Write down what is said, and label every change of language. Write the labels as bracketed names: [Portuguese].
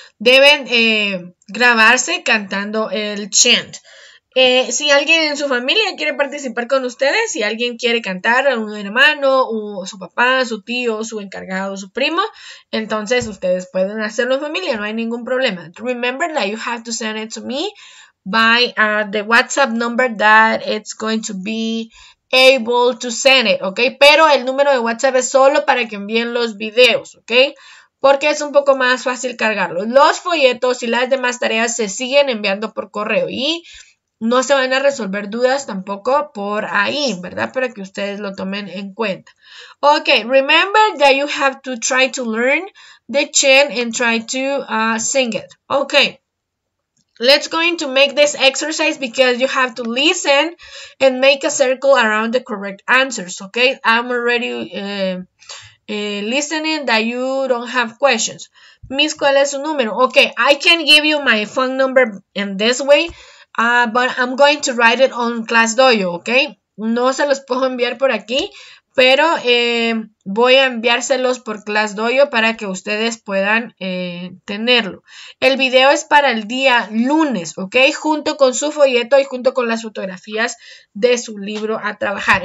[Spanish] Deben grabarse cantando el chant. Si alguien en su familia quiere participar con ustedes, si alguien quiere cantar, un hermano, o su papá, su tío, su encargado, su primo, entonces ustedes pueden hacerlo en familia, no hay ningún problema. [English] Remember that you have to send it to me by the WhatsApp number that it's going to be able to send it, ¿ok? [Spanish] Pero el número de WhatsApp es solo para que envíen los videos, ¿ok? Porque es un poco más fácil cargarlo. Los folletos y las demás tareas se siguen enviando por correo y no se van a resolver dudas tampoco por ahí, ¿verdad? Para que ustedes lo tomen en cuenta. [English] Ok, remember that you have to try to learn the chant and try to sing it. Ok, let's going to make this exercise because you have to listen and make a circle around the correct answers, ok? I'm already listening that you don't have questions. Miss, [Spanish] ¿cuál es su número? [English] Ok, I can give you my phone number in this way. But I'm going to write it on ClassDojo, ¿ok? [Spanish] No se los puedo enviar por aquí, pero voy a enviárselos por ClassDojo para que ustedes puedan tenerlo. El video es para el día lunes, ¿ok? Junto con su folleto y junto con las fotografías de su libro a trabajar.